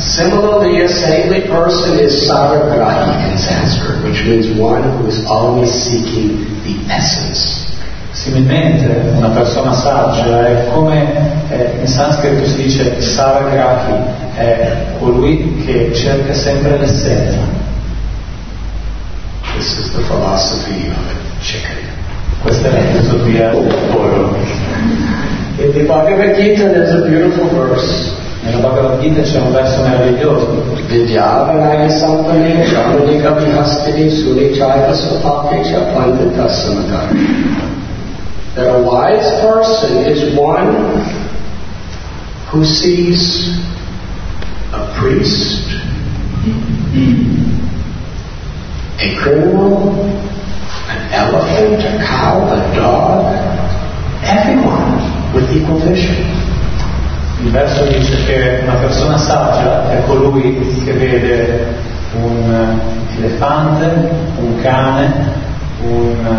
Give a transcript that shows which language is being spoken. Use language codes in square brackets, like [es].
[en] Similarly, a saintly person is Sarvagrahi in Sanskrit, which means one who is always seeking the essence. [it] Similmente, una persona saggia è come in sanscrito si dice Sarvagrahi, è colui che cerca sempre l'essenza. [en] This is the philosophy of a chicken. [it] Questa è la filosofia del pollo. [en] In the Bhagavad Gita there's a beautiful verse. [it] Nella Bhagavad Gita c'è un verso meraviglioso. [sa] Vidyavanaya sampane jamanika vihastini sunichaya sopapecha pandita samadhani. [en] That a wise person is one who sees a priest, a criminal, an elephant, a cow, a dog, everyone with equal vision. [it] Il verso dice che una persona saggia è colui che vede un elefante, un cane, un